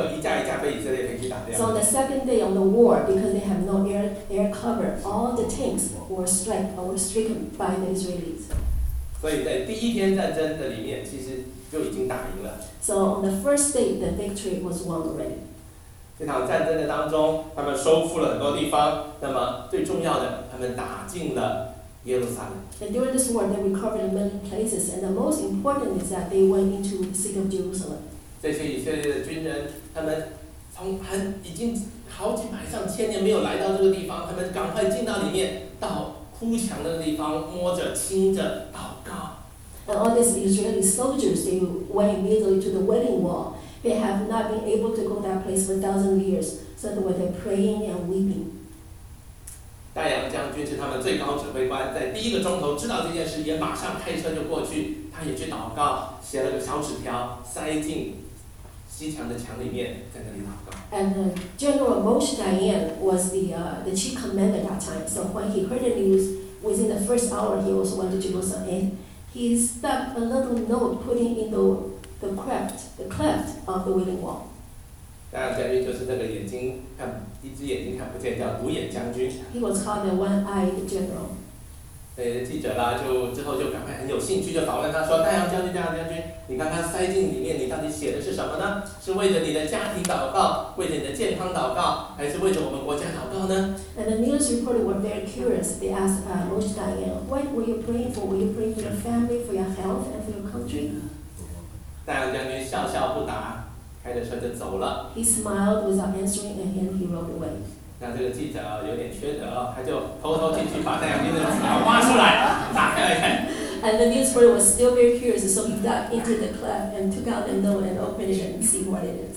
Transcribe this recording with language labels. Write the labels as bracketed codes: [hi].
[en] play on the war because they have no air cover. All the tanks were stricken by the Israelis. [zh] 所以在第一天战争的里面，其实就已经打赢了。 [en] So on the first day, the victory was won already. [zh] 这场战争的当中，他们收复了很多地方。那么最重要的，他们打进了。 [en] And during this war, they recovered many places, and the most important is that they went into the city of Jerusalem. [zh] 这些以色列的军人，他们从很已经好几百上千年没有来到这个地方，他们赶快进到里面，到哭墙的地方摸着、亲着、祷告。 [en] And all these Israeli soldiers, they went immediately to the wailing wall. They have not been able to go that place for 1,000 years, so they were praying and weeping. [zh] 大洋将军是他们最高指挥官，在第一个钟头知道这件事，也马上开车就过去。他也去祷告，写了个小纸条，塞进西墙的墙里面，在那里祷告。 [en] And General Moshe Dayan was the chief commander that time. So when he heard the news, within the first hour, he also went to Jerusalem. And he stuck a little note putting in the cleft of the wailing wall. [zh] 大将军就是那个眼睛看一只眼睛看不见叫独眼将军。 [en] He was called the one-eyed general. [zh] 那记者啦，就之后就赶快很有兴趣就访问他说：“大将军，你刚刚塞进里面，你到底写的是什么呢？是为了你的家庭祷告，为了你的健康祷告，还是为着我们国家祷告呢 [en] ？”And the news reporter were very curious. They asked Moshe Dayan, "What were you praying for? Were you praying for your family, for your health, and for your country?" [zh] 大将军笑笑不答。开着车就走了。 [en] He smiled without answering, and then he rode away. [zh] 那这个记者有点缺德，他就偷偷进去把大将军的纸条挖出来，打开来看。 [en] And the news reporter was still very curious, so he dug into the cleft and took out the note and opened it and see what it is.